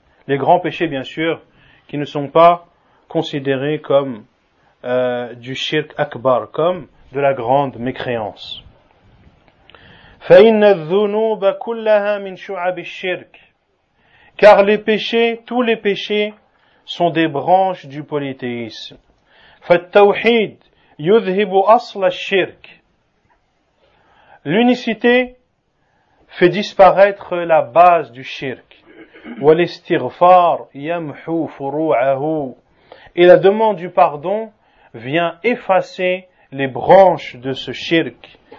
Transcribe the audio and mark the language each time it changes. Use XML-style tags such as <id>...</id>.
<fr>Les grands péchés, bien sûr, qui ne sont pas considérés comme du shirk akbar, comme de la grande mécréance.</fr> <ar>فَإِنَّ الذُّنُوبَ كُلَّهَا مِنْ شُعَبِ الشِّرْكِ.</ar> <fr>Car les péchés, tous les péchés, sont des branches du polythéisme.</fr> <ar>فَالتَّوْحِيد يُذْهِبُ أَصْلَ الشِّرْكِ.</ar> <fr>L'unicité fait disparaître la base du shirk.</fr> <ar>وَلِسْتِغْفَارْ يَمْحُو فُرُوعَهُ.</ar> <fr>Et la demande du pardon vient effacer les branches de ce shirk.</fr>